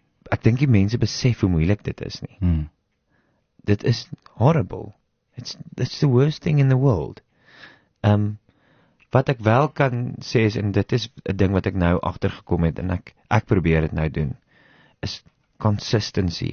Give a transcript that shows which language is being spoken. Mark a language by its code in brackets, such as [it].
[af] Ek dink die mense besef hoe moeilik dit is nie. Dit is horrible. [en] It's the worst thing in the world. Wat ek wel kan sê is, en dit is een ding wat ek nou achtergekom het, en ek probeer het nou doen, is consistency.